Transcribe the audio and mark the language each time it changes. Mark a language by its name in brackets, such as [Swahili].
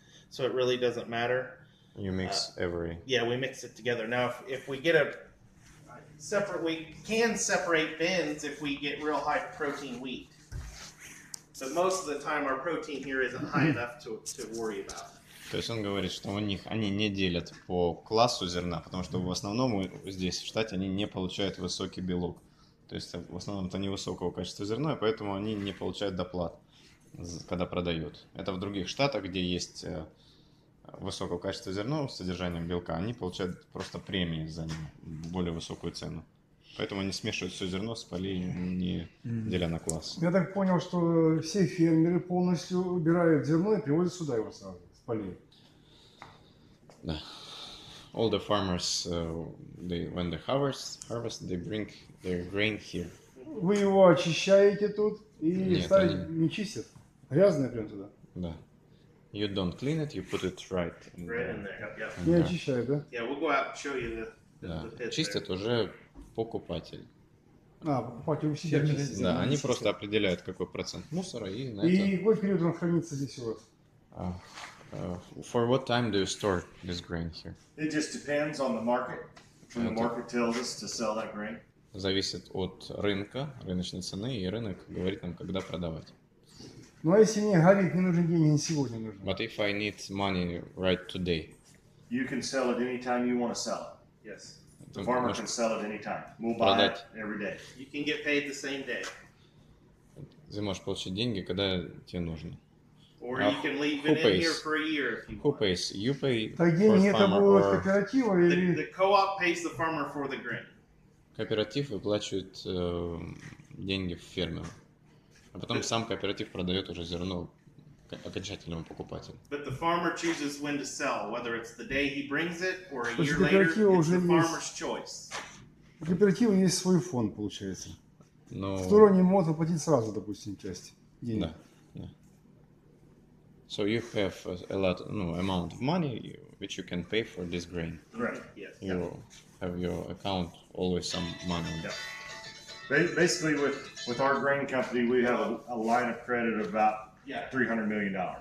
[English] So it really doesn't matter. You mix every. Yeah, we mix it together. Now if we get a separate, we can separate bins if we get real high protein wheat. But most of the time our protein here isn't high enough to worry about. [Russian] То есть он говорит, что у них они не делят по классу зерна, потому что в основном здесь, в штате, они не получают высокий белок. То есть в основном это невысокого качества зерно, и поэтому они не получают доплат, когда продают. Это в других штатах, где есть высокого качества зерно с содержанием белка, они получают просто премии за него, более высокую цену. Поэтому они смешивают все зерно с полей, не деля на класс. Я так понял, что все фермеры полностью убирают зерно и привозят сюда его сразу. Да. [English] All the farmers, they when they harvest, they bring their grain here. [Russian] Вы его очищаете тут и ставите, не чистят? Грязное прям туда? Да. [English] You don't clean it, you put it right in there. Right in there, yep. [Russian] Не очищают, да? [English] Yeah, we'll go out and show you the pit. [Russian] Чистят уже покупатель. А, покупатель у себя чистит. Да, они просто определяют, какой процент мусора и на это... И какой период он хранится здесь у вас? [English] For what time do you store this grain here? It just depends on the market. When the market tells us to sell that grain. [Russian] Зависит от рынка, рыночной цены, и рынок говорит нам, когда продавать. Ну а если мне горит, не нужен деньги, не сегодня нужен. [English] But if I need money right today. You can sell it anytime you want to sell it. Yes. The farmer can sell it anytime. We'll buy it every day. You can get paid the same day. [Russian] Ты можешь получить деньги, когда тебе нужно. [English] Or you can leave it in here for a year if you want. Who pays? You pay for the farmer. [Russian] Это кооператива или? [English] The co-op pays the farmer for the grain. [Russian] Кооператив выплачивает деньги фермеру, а потом сам кооператив продает уже зерно окончательному покупателю. [English] But the farmer chooses when to sell, whether it's the day he brings it or a year later. It's the farmer's choice. [Russian] У кооператива есть свой фонд, получается. Но сторонний мод оплатить сразу, допустим, часть денег. Да. [English] So you have a lot, no, amount of money which you can pay for this grain. Right. Yes. You have your account always some money. Yeah. Basically, with our grain company, we have a line of credit of about $300 million.